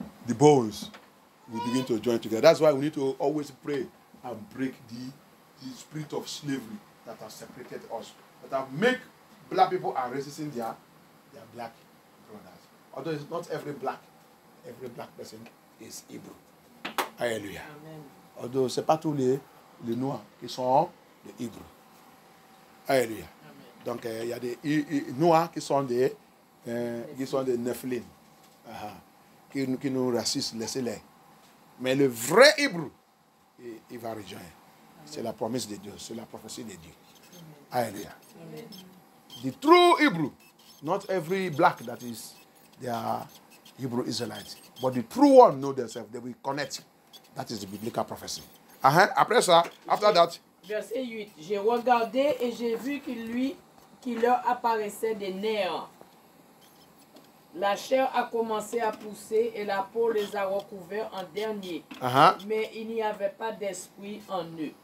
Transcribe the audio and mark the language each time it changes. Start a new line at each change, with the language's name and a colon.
English: The bones, we begin to join together. That's why we need to always pray and break the spirit of slavery that has separated us, that have make black people are resisting their black brothers. Although it's not every black person is Hebrew. Hallelujah. Amen.
French: Although c'est pas tous les noirs qui sont des Hébreux. Alléluia. Donc il y a des noirs qui sont des Nephilim qui nous racistent, laissez-les. Mais le vrai Hébreu, il va rejoindre. C'est la promesse de Dieu, c'est la prophétie de Dieu. Alléluia.
English: The true Hebrew, not every black that is they are Hebrew Israelites, but the true one know themselves, they will connect. That is the biblical prophecy.
French: Après ça,
English: after that.
French: Verset 8. J'ai regardé et j'ai vu qu'il leur apparaissait des nerfs. La chair a commencé à pousser et la peau les a recouverts en dernier. Uh-huh. Mais il n'y avait pas d'esprit en eux.